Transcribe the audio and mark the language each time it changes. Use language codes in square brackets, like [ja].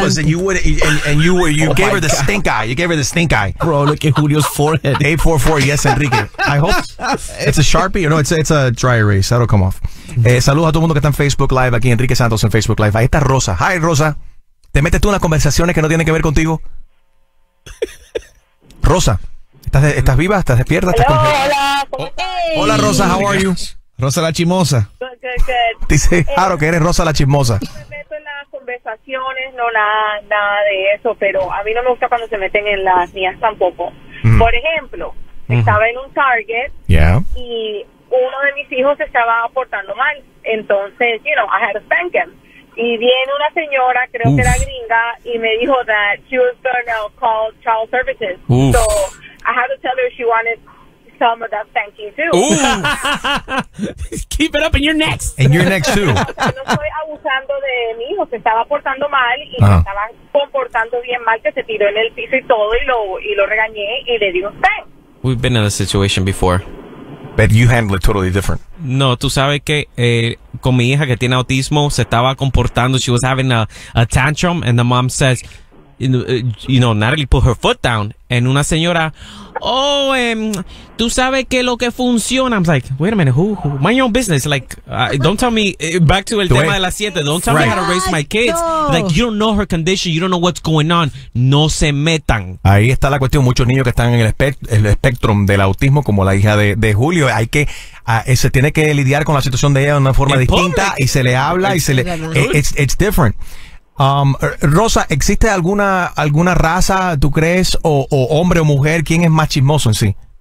[en] Help us, and you oh gave her the God. Stink eye. You gave her the stink eye. Bro, look at Julio's forehead. 844, yes, Enrique. I hope it's a Sharpie or no, it's a dry erase. That'll come off. [es] Saludos a todo mundo que está en Facebook Live. Aquí Enrique Santos en Facebook Live. Ahí está Rosa. Hi, Rosa. ¿Te metes tú en las conversaciones que no tienen que ver contigo? Rosa, ¿estás viva? ¿Estás despierta? [en] Hello, [es] ¿estás hola, ¿cómo estás? [en] Hola, Rosa, how are you? [es] Rosa la chismosa. Dice, claro que eres Rosa la chismosa. No me meto en las conversaciones, no nada de eso, pero a mí no me gusta cuando se meten en las mías tampoco. Mm. Por ejemplo, estaba en un Target y uno de mis hijos se estaba portando mal. Entonces, [en] you know, I had to spank him. [es] y viene una señora, creo que era gringa, y me dijo [en] that she was going to call Child Services. So I had to tell her she wanted some of that spanking too. Keep it up and you're next. And you're next too. [es] No estoy abusando de mi hijo, se estaba portando mal y se estaba comportando bien mal, que se tiró en el piso y todo, y lo regañé y le di un spank. [en] We've been in a situation before. But you handle it totally different. [es] No, tú sabes que con mi hija que tiene autismo, se estaba comportando, [en] she was having a tantrum, and the mom says, you know, Natalie put her foot down, and [es] una señora, tú sabes que lo que funciona, [en] I'm like, wait a minute, who, mind your own business, like, don't tell me, back to [es] el tema de las siete, [en] don't tell me how to raise my kids, like, you don't know her condition, you don't know what's going on, [es] no se metan. Ahí está la cuestión, muchos niños que están en el espectro del autismo, como la hija de Julio, hay que... se tiene que lidiar con la situación de ella de una forma distinta y se le habla y se le... [en] It's different. [es] Rosa, ¿existe alguna raza, tú crees, o hombre o mujer, quién es más chismoso en sí?